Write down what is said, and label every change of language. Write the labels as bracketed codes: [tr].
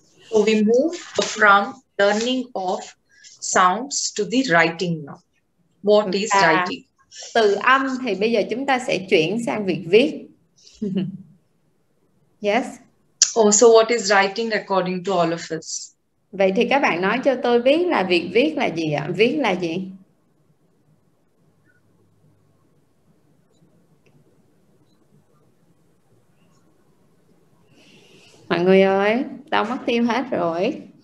[en] So we move from learning of sounds to the writing now. What is writing? [vi] Từ âm thì bây giờ chúng ta sẽ chuyển sang việc viết. [en] Yes. Oh, so what is writing according to all of us? [vi] Vậy thì các bạn nói cho tôi biết là việc viết là gì ạ? Viết là gì? Mọi người ơi, tao mất tiêu hết rồi.